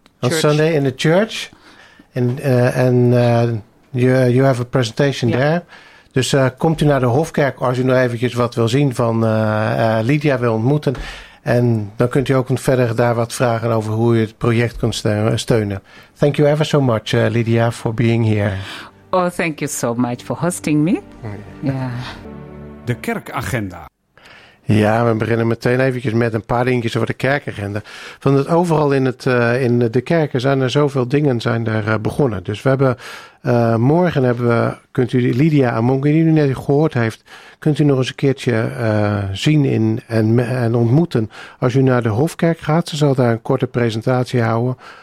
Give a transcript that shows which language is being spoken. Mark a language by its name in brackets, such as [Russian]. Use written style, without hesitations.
[English] On Sunday in the church. And you have a presentation there. [Dutch] Dus komt u naar de Hofkerk als u nog eventjes wat wil zien van Lydia wil ontmoeten. En dan kunt u ook verder daar wat vragen over hoe u het project kunt steunen. [English] Thank you ever so much, Lydia, for being here. Oh, thank you so much for hosting me. [Dutch] De kerkagenda. Ja, we beginnen meteen eventjes met een paar dingetjes over de kerkagenda. Van het overal in de kerken zijn er zoveel dingen zijn daar begonnen. Dus we hebben morgen hebben we, kunt u Lydia Amonge, die u net gehoord heeft, kunt u nog eens een keertje zien en ontmoeten. Als u naar de Hofkerk gaat, ze zal daar een korte presentatie houden.